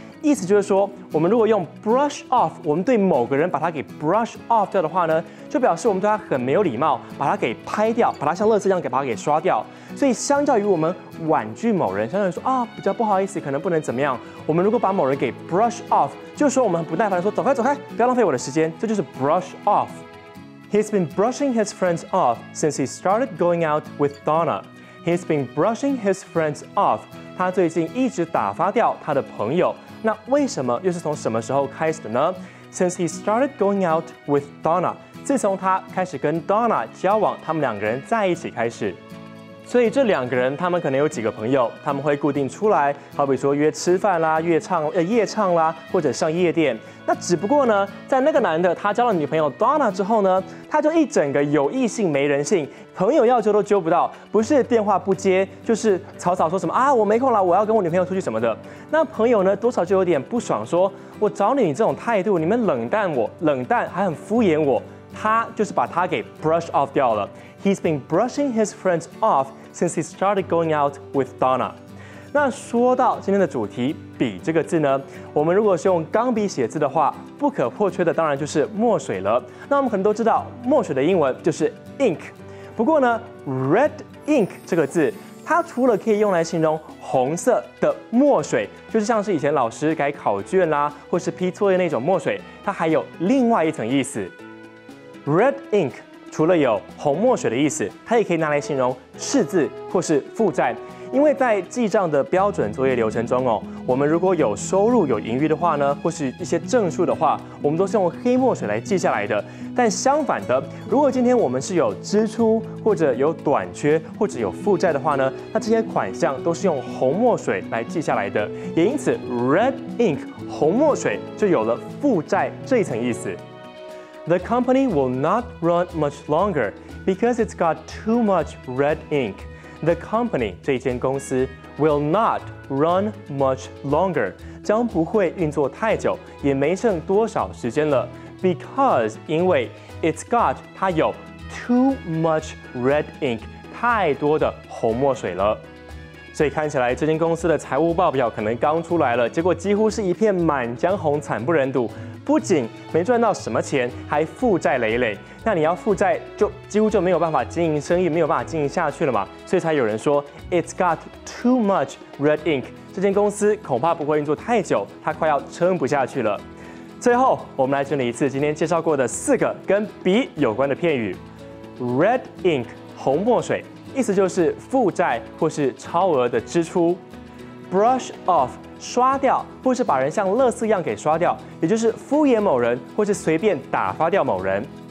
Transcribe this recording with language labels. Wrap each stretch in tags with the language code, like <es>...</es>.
<zh>意思就是说，我们如果用 brush off， 我们对某个人把他给 brush off 掉的话呢，就表示我们对他很没有礼貌，把他给拍掉，把他像垃圾一样给把他给刷掉。所以相较于我们婉拒某人，相较于说啊比较不好意思，可能不能怎么样，我们如果把某人给 brush off， 就是说我们很不耐烦的说走开走开，不要浪费我的时间，这就是 brush off。</zh> <en>He's been brushing his friends off since he started going out with Donna. He's been brushing his friends off.</en> <zh>他最近一直打发掉他的朋友。那为什么又是从什么时候开始的呢？</zh> <en>Since he started going out with Donna，</en> <zh>自从他开始跟 Donna 交往，他们两个人在一起开始。所以这两个人他们可能有几个朋友，他们会固定出来，好比说约吃饭啦，约唱夜唱啦，或者上夜店。那只不过呢，在那个男的他交了女朋友 Donna 之后呢，他就一整个有异性没人性，朋友要揪都揪不到，不是电话不接，就是草草说什么啊我没空啦，我要跟我女朋友出去什么的。那朋友呢多少就有点不爽，说我找你这种态度，你们冷淡我，冷淡还很敷衍我。他就是把他给 brush off 掉了。</zh> <en>He's been brushing his friends off since he started going out with Donna.</en> <zh>那说到今天的主题笔这个字呢，我们如果是用钢笔写字的话，不可或缺的当然就是墨水了。那我们可能都知道墨水的英文就是 ink。不过呢 red ink 这个字，它除了可以用来形容红色的墨水，就是像是以前老师改考卷啦，或是批作业那种墨水，它还有另外一层意思。 red ink除了有红墨水的意思，它也可以拿来形容赤字或是负债。因为在记账的标准作业流程中，我们如果有收入有盈余的话呢，或是一些正数的话，我们都是用黑墨水来记下来的。但相反的，如果今天我们是有支出或者有短缺或者有负债的话呢，那这些款项都是用红墨水来记下来的。也因此 red ink 红墨水就有了负债这一层意思。</zh> <en>The company will not run much longer because it's got too much red ink. The company</en> <zh>这间公司</zh> <en>will not run much longer</en> <zh>将不会运作太久，也没剩多少时间了。</zh> <en>Because</en> <zh>因为</zh> <en>it's got</en> <zh>它有</zh> <en>too much red ink</en> <zh>太多的红墨水了。所以看起来这间公司的财务报表可能刚出来了，结果几乎是一片满江红，惨不忍睹。不仅没赚到什么钱，还负债累累。那你要负债，就几乎就没有办法经营生意，没有办法经营下去了嘛。所以才有人说 ，</zh> <en>It's got too much red ink。</en> <zh>这间公司恐怕不会运作太久，它快要撑不下去了。最后，我们来整理一次今天介绍过的四个跟笔有关的片语 ：red ink， 红墨水。意思就是负债或是超额的支出。 brush off 刷掉，或是把人像垃圾一样给刷掉，也就是敷衍某人或是随便打发掉某人。</zh>